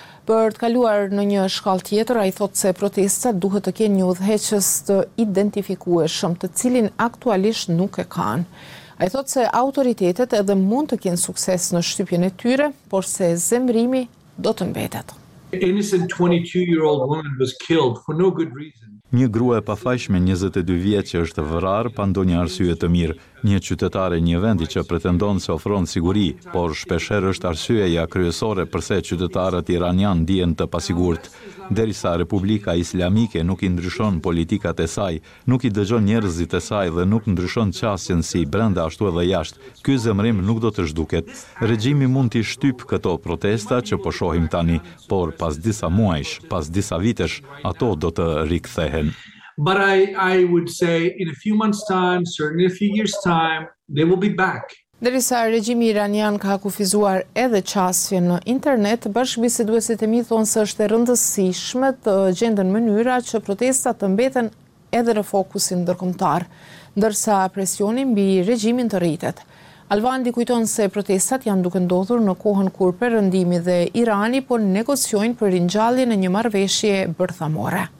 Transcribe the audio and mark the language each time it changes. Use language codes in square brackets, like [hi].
[sq] Për të kaluar në një shkallë tjetër, ai thotë se protestat duhet të kenë një udhëheqës të identifikueshëm, të cilin aktualisht nuk e kanë. Ai thotë se autoritetet edhe mund të kenë sukses në shtypjen e tyre, por se zemrimi do të mbetet. [en] Innocent 22-year-old woman was killed for no good reason. [sq] Një grua e pafajshme 22 vjeç që është vrarë pa ndonjë arsye të mirë, një qytetare një vendi që pretendon se ofron siguri, por shpeshherë është arsyeja kryesore pse qytetarët iranian ndihen të pasigurt. Derisa Republika Islamike nuk i ndryshon politikat e saj, nuk i dëgjon njerëzit e saj dhe nuk ndryshon qasjen si brenda ashtu edhe jashtë, ky zemrim nuk do të zhduket. Regjimi mund t'i shtyp këto protesta që po shohim tani, por pas disa muajsh, pas disa vitesh, ato do të rikthehen. [en] But I would say in a few months time, certainly a few years time, they will be back. [sq] Derisa regjimi iranian ka kufizuar edhe qasjen në internet, bashkëbiseduesit e mi thonë se është e rëndësishme të gjenden mënyra që protestat të mbeten edhe në fokusin ndërkombëtar, ndërsa presioni mbi regjimin të rritet. Alvandi kujton se protestat janë duke ndodhur në kohën kur Perëndimi dhe Irani po negocjojnë për ringjalljen e një marrëveshje bërthamore.